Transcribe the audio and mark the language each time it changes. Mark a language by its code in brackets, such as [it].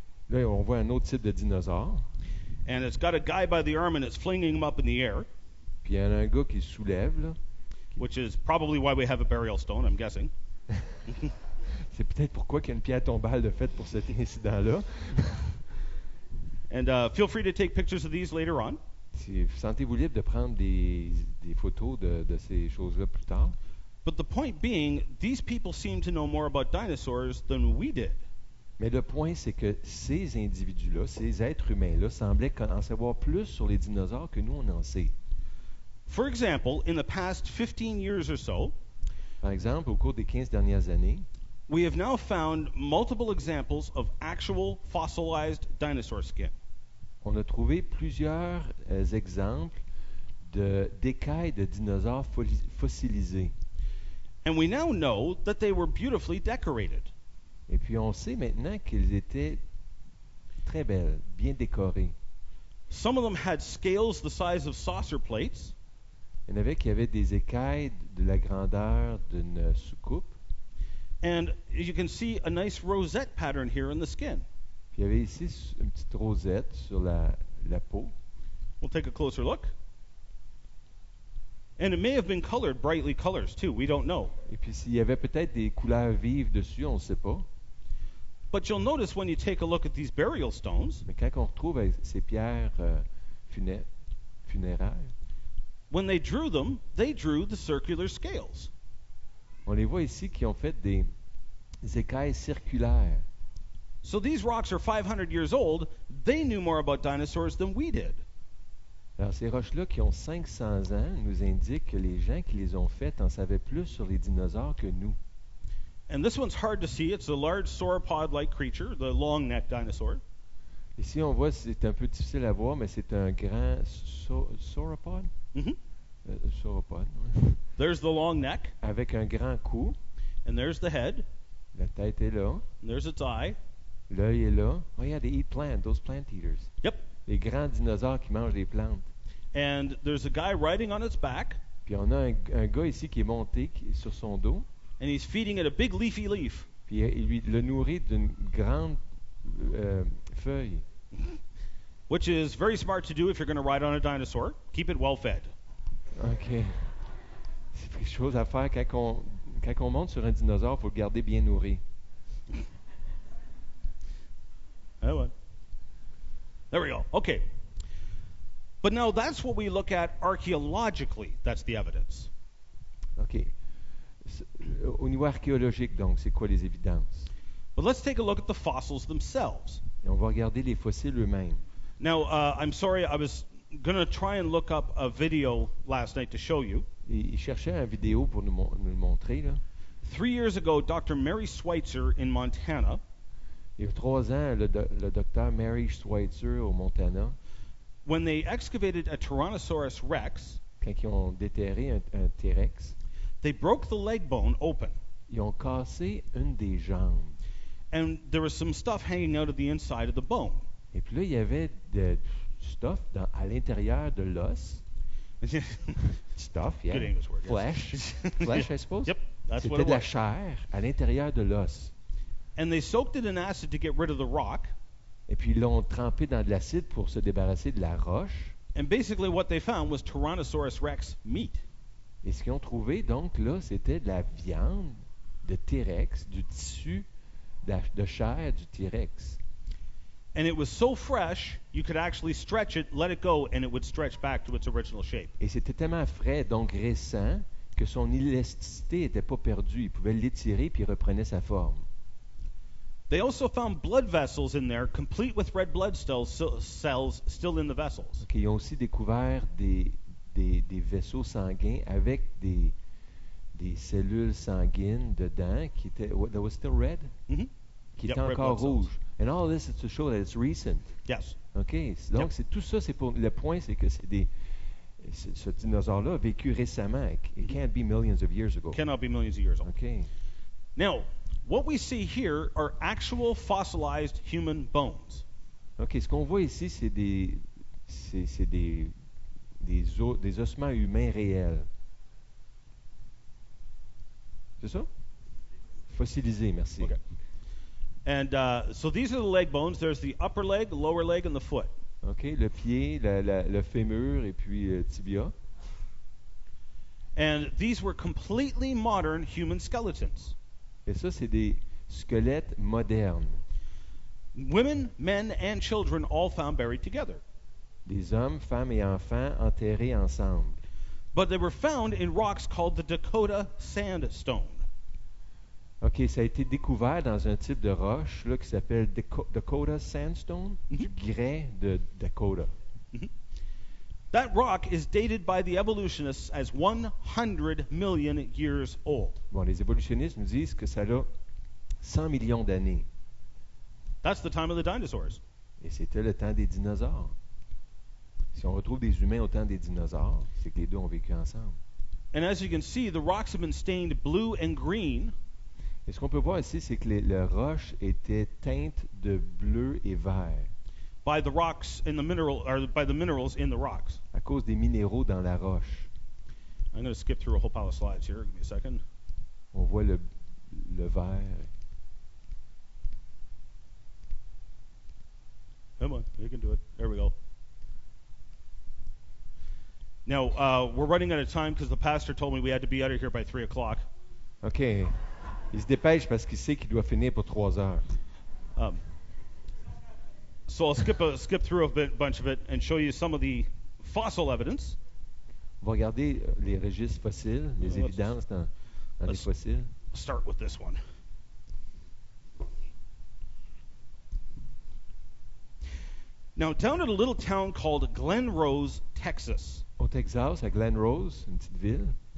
[fr] Là, on voit un autre type de dinosaure. [en] And it's got a guy by the arm and it's flinging him up in the air. [fr] Puis il y a un gars qui se soulève, là. [en] Which is probably why we have a burial stone, I'm guessing. [fr] C'est peut-être pourquoi qu'il y a une pierre tombale de fait pour cet incident-là. [en] And feel free to take pictures of these later on. [fr] Si vous sentez-vous libre de prendre des photos de ces choses-là plus tard. [en] But the point being, these people seem to know more about dinosaurs than we did. [fr] Mais le point, c'est que ces individus-là, ces êtres humains-là, semblaient en savoir plus sur les dinosaures que nous, on en sait. [en] For example, in the past 15 years or so, [fr] par exemple, au cours des 15 dernières années, [en] we have now found multiple examples of actual fossilized dinosaur skin. [fr] On a trouvé plusieurs exemples d'écailles de dinosaures fossilisées. [en] And we now know that they were beautifully decorated. [fr] Et puis on sait maintenant qu'ils étaient très belles, bien décorées. [en] Some of them had scales the size of saucer plates. [fr] Il y en avait qui avaient des écailles de la grandeur d'une soucoupe. [en] And you can see a nice rosette pattern here in the skin. [fr] Puis il y avait ici une petite rosette sur la peau. [en] We'll take a closer look. And it may have been colored brightly colors too. We don't know. [fr] Et puis s'il y avait peut-être des couleurs vives dessus, on ne sait pas. [en] But you'll notice when you take a look at these burial stones. [fr] Mais quand on retrouve ces pierres funéraires. [en] When they drew them, they drew the circular scales. [fr] On les voit ici qui ont fait des écailles circulaires. [en] So these rocks are 500 years old. They knew more about dinosaurs than we did. [fr] Alors ces roches-là qui ont 500 ans nous indiquent que les gens qui les ont faites en savaient plus sur les dinosaures que nous. [en] And this one's hard to see. It's a large sauropod-like creature, the long-necked dinosaur. [fr] Ici on voit, c'est un peu difficile à voir, mais c'est un grand sauropod. [en] Sauropod. There's the long neck. [fr] Avec un grand cou. [en] And there's the head. [fr] La tête est là. [en] And there's its eye. [fr] L'œil est là. [en] Oh yeah, they eat plants, those plant eaters. Yep. [fr] Les grands dinosaures qui mangent des plantes. [en] And there's a guy riding on its back. [fr] Puis on a un gars ici qui est monté sur son dos. [en] And he's feeding it a big leafy leaf. [fr] Puis il le nourrit d'une grande feuille. [en] Which is very smart to do if you're going to ride on a dinosaur. Keep it well fed. OK. [fr] C'est quelque chose à faire quand on monte sur un dinosaure, il faut le garder bien nourri. [en] Oh, well. There we go. Okay. But now that's what we look at archaeologically. That's the evidence. Okay. [fr] Au niveau archéologique, donc, c'est quoi les évidences? [en] But let's take a look at the fossils themselves. [fr] Et on va regarder les fossiles eux-mêmes. [en] Now, I'm sorry, I was going to try and look up a video last night to show you. [fr] Il cherchait une vidéo pour nous le montrer, là. [en] 3 years ago, Dr. Mary Schweitzer in Montana. [fr] Il y a 3 ans, le docteur Mary Schweitzer au Montana. [en] When they excavated a Tyrannosaurus rex. [fr] Quand ils ont déterré un T-Rex. [en] They broke the leg bone open. [fr] Ils ont cassé une des jambes. [en] And there was some stuff hanging out of the inside of the bone. [fr] Et puis là, il y avait de stuff à l'intérieur de l'os. [en] Stuff, yeah. Good English word. Flesh. Yes. Flesh, I suppose. Yep, that's [fr] C'était [en] what it [fr] de La chair à l'intérieur de l'os. [en] And they soaked it in acid to get rid of the rock. [fr] Et puis ils l'ont trempé dans de l'acide pour se débarrasser de la roche. [en] And basically what they found was Tyrannosaurus rex meat. [fr] Et ce qu'ils ont trouvé, donc, là, c'était de la viande de T-Rex, du tissu de chair du T-Rex. [en] And it was so fresh, you could actually stretch it, let it go, and it would stretch back to its original shape. [fr] Et c'était tellement frais, donc récent, que son élasticité n'était pas perdue. Il pouvait l'étirer, puis il reprenait sa forme. [en] They also found blood vessels in there, complete with red blood cells still in the vessels. [fr] Okay, ils ont aussi découvert des vaisseaux sanguins avec des cellules sanguines dedans qui étaient [en] that was still red [fr] qui [en] yep, [fr] était encore rouge [en] cells. And all this is to show that it's recent. Yes. [fr] Okay. Donc yep. C'est tout ça. C'est pour le point, c'est que ce dinosaure là a vécu récemment. [en] It can't be millions of years ago. Cannot be millions of years old. Okay. Now, what we see here are actual fossilized human bones. Okay. [fr] Ce qu'on voit ici, c'est des ossements humains réels. C'est ça? Fossilisé, merci. [en] Okay. And so these are the leg bones. There's the upper leg, lower leg, and the foot. [fr] Okay, le pied, le fémur, et puis tibia. [en] And these were completely modern human skeletons. [fr] Et ça, c'est des squelettes modernes. [en] Women, men, and children all found buried together. [fr] Des hommes, femmes et enfants enterrés ensemble. [en] But they were found in rocks called the Dakota sandstone. [fr] OK, ça a été découvert dans un type de roche là, qui s'appelle Dakota sandstone, du grès de Dakota. [en] That rock is dated by the evolutionists as 100 million years old. [fr] Bon, les évolutionnistes nous disent que ça a 100 millions d'années. [en] That's the time of the dinosaurs. [fr] Et c'était le temps des dinosaures. Si on retrouve des humains au temps des dinosaures, c'est que les deux ont vécu ensemble. [en] And as you can see, the rocks have been stained blue and green. [fr] Et ce qu'on peut voir ici, c'est que la roche était teinte de bleu et vert. [en] By the rocks in the mineral, or by the minerals in the rocks. [fr] À cause des minéraux dans la roche. [en] I'm going to skip through a whole pile of slides here. Give me a second. [fr] On voit le vert. [en] Come on, you can do it. There we go. Now, we're running out of time because the pastor told me we had to be out of here by 3 o'clock. Okay. [fr] Il se dépêche parce qu'il sait qu'il doit finir pour 3 heures. [en] So I'll skip through a bunch of it and show you some of the fossil evidence. [fr] On va regarder les registres fossiles, les évidences dans les fossiles. [en] Start with this one. Now, down at a little town called Glen Rose, Texas. [fr] Au Texas, à Glen Rose, une petite ville.